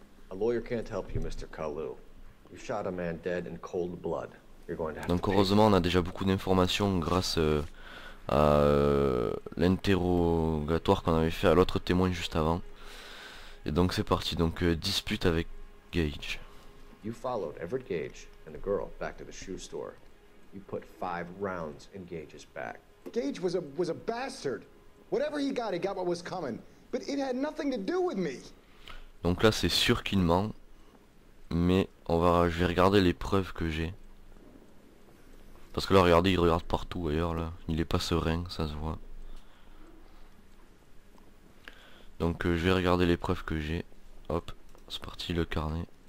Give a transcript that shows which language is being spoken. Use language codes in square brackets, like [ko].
[en] A lawyer can't help you, Mr. Kalu. You shot a man dead in cold blood. You're going to have to. [fr] Donc heureusement on a déjà beaucoup d'informations grâce à l'interrogatoire qu'on avait fait à l'autre témoin juste avant. Et donc c'est parti, donc dispute avec Gage. [en] You followed Everett Gage and the girl back to the shoe store. You put 5 rounds in Gage's back. Gage was a bastard. Whatever he got what was coming, but it had nothing to do with me. [fr] Donc là c'est sûr qu'il ment, mais je vais regarder les preuves que j'ai. Parce que là, regardez, il regarde partout ailleurs, là. Il est pas serein, ça se voit. Donc, je vais regarder les preuves que j'ai. Hop, c'est parti, le carnet.